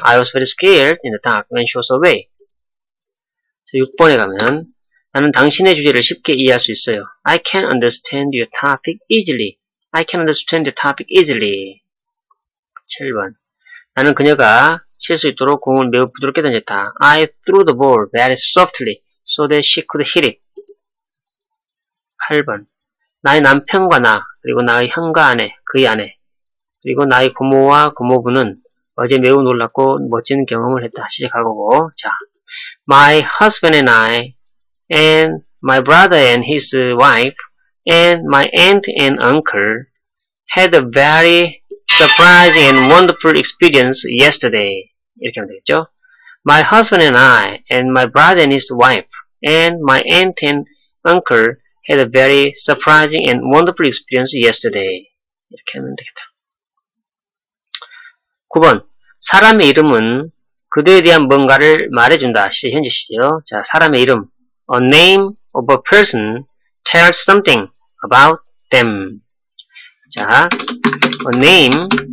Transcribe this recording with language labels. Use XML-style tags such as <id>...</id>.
<en>I was very scared in the dark when she was away.</en> <ko>자, 6번에 가면, 나는 당신의 주제를 쉽게 이해할 수 있어요.</ko> <en>I can understand your topic easily. 7번.</en> <ko>나는 그녀가 칠 수 있도록 공을 매우 부드럽게 던졌다.</ko> <en>I threw the ball very softly so that she could hit it.</en> <ko>8번. 나의 남편과 나, 그리고 나의 형과 아내, 그의 아내, 그리고 나의 고모와 고모부는 어제 매우 놀랍고 멋진 경험을 했다. 시작하고. 자.</ko> <en>My husband and I, and my brother and his wife, and my aunt and uncle had a very surprising and wonderful experience yesterday.</en> <ko>이렇게 하면 되겠죠?</ko> <en>My husband and I, and my brother and his wife, and my aunt and uncle had a very surprising and wonderful experience yesterday.</en> <ko>이렇게 하면 되겠다. 9번. 사람의 이름은 그대에 대한 뭔가를 말해준다. 시제 현재 시제요. 자, 사람의 이름.</ko> <en>A name of a person tells something about them. 자, a name</en>